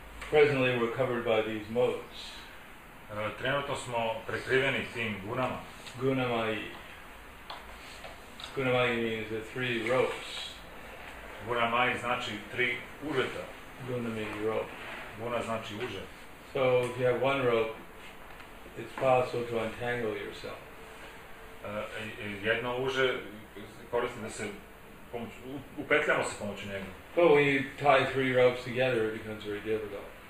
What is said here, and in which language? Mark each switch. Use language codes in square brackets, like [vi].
[en] Presently we're covered by these modes. [hr] Trenutno smo prekriveni tim gunama. [en] Gunamai. Gunamai means the three ropes. [hr] Gunamai znači tri užeta. [en] Guna means rope. [hr] Guna znači užet. [en] So if you have one rope, it's possible to untangle yourself. [hr] jedno uže koristi da se pomoć, upetljamo se pomoću njega. [en] But when you tie three ropes together, it becomes very difficult.